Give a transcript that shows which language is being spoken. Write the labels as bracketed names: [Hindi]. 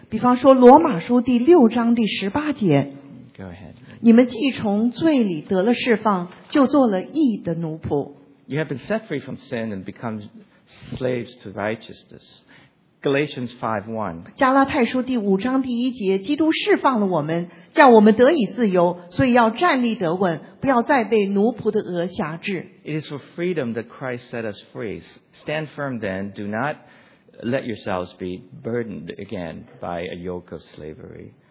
[Chinese] 比方说罗马书第六章第十八节。 [English] Go ahead. [Chinese] 你们既从罪里得了释放，就做了义的奴仆。 [English] You have been set free from sin and become slaves to righteousness. Galatians 5:1. [Chinese] 加拉太书第五章第一节，基督释放了我们，叫我们得以自由，所以要站立得稳，不要再被奴仆的轭辖制。 [English] It is for freedom that Christ set us free. Stand firm then, do not let yourselves be burdened again by a yoke of slavery.